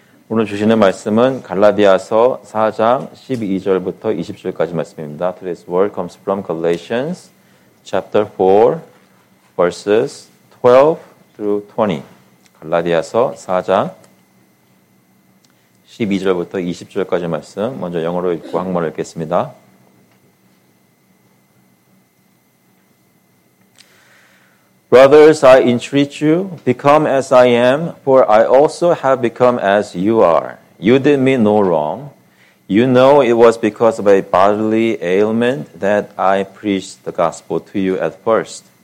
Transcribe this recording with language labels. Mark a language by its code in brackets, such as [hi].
[ko] 오늘 주시는 말씀은 갈라디아서 4장 12절부터 20절까지 말씀입니다. [en] Today's word comes from Galatians chapter 4 verses 12 through 20. [ko] 갈라디아서 4장 12절부터 20절까지 말씀 먼저 영어로 읽고 한번 읽겠습니다. [en] Brothers, I entreat you, become as I am, for I also have become as you are. You did me no wrong. You know it was because of a bodily ailment that I preached the gospel to you at first.